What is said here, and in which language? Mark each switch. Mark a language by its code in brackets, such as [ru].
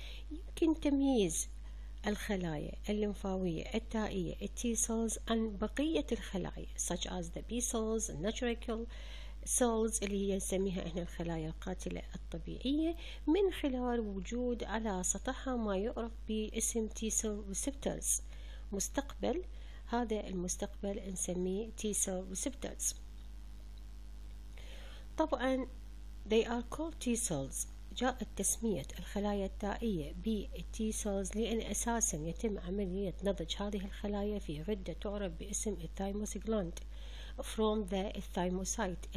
[ar] يمكن تمييز الخلايا الليمفاوية التائية T cells عن بقية الخلايا [en] such as the B cells, natural cells [ar] اللي هي نسميها احنا الخلايا القاتلة الطبيعية من خلال وجود على سطحها ما يعرف باسم T cell receptors. مستقبل، هذا المستقبل نسميه T cell receptors. [en] طبعا they are called T cells. [ar] جاءت تسمية الخلايا التائية بالتي سيلز لأن أساسا يتم عملية نضج هذه الخلايا في غدة تعرف باسم الثايموس جلاند [en] from the thymocyte.